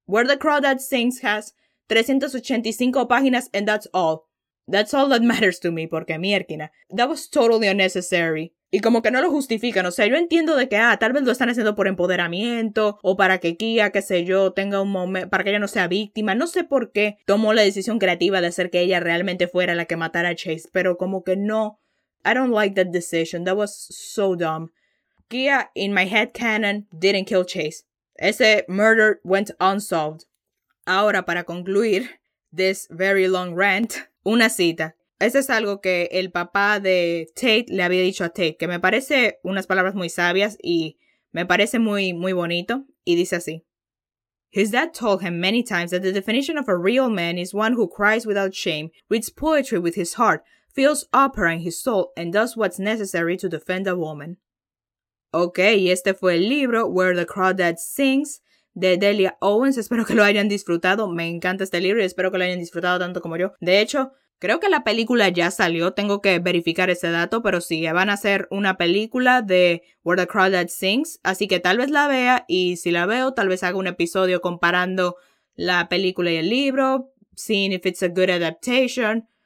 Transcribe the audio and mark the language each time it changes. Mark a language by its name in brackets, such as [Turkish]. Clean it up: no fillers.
[English] Where the Crawdad Sings has 385 páginas and that's all. That's all that matters to me, [Spanish] porque mierkina. [English] That was totally unnecessary. [Spanish] Y como que no lo justifican. O sea, yo entiendo de que, tal vez lo están haciendo por empoderamiento o para que Kia, qué sé yo, tenga un momento, para que ella no sea víctima. No sé por qué tomó la decisión creativa de hacer que ella realmente fuera la que matara a Chase, pero como que no. [English] I don't like that decision. That was so dumb. Kia, in my head canon, didn't kill Chase. Ese murder went unsolved. [Spanish] Ahora, para concluir [English] this very long rant, [Spanish] una cita. Eso es algo que el papá de Tate le había dicho a Tate, que me parece unas palabras muy sabias y me parece muy, muy bonito. Y dice así. [English] His dad told him many times that the definition of a real man is one who cries without shame, reads poetry with his heart, feels opera in his soul, and does what's necessary to defend a woman. [Spanish] Okay, y este fue el libro, Where the Crawdad Sings, de Delia Owens. Espero que lo hayan disfrutado. Me encanta este libro y espero que lo hayan disfrutado tanto como yo. De hecho, creo que la película ya salió, tengo que verificar ese dato, pero sí, van a hacer una película de Where the Crawdad Sings, así que tal vez la vea, y si la veo, tal vez haga un episodio comparando la película y el libro, [English] seeing if it's a good adaptation.